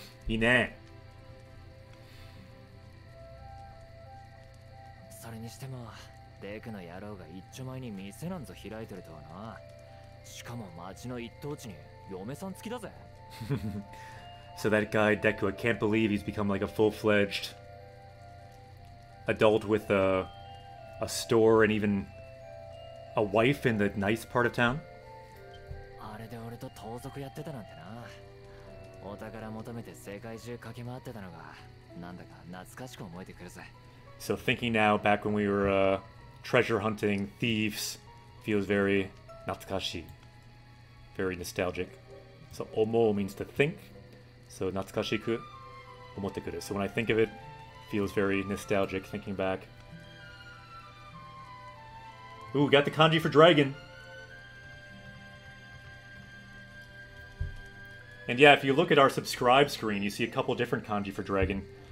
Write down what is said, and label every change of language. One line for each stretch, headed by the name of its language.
Japanese: それにしても、デクの野郎が一丁前に店なんぞ開いてるとはな。しかも町の一等地に嫁さん付きだぜ。
English: So that guy, Deku, I can't believe he's become like a full-fledged adult with a store and even a wife in the nice part of town.
Japanese: あれで俺と盗賊やってたなんてな。お宝求めて世界中駆け回ってたのが、なんだか懐かしく思えてくるぜ。
English: So thinking now back when we were treasure hunting thieves feels very 懐かしい。Very nostalgic. So 思う means to think.
Japanese: So, 懐かしく思ってくる。
English: So, when I think of it, it feels very nostalgic thinking back. Ooh, got the kanji for dragon. And yeah, if you look at our subscribe screen, you see a couple different kanji for dragon.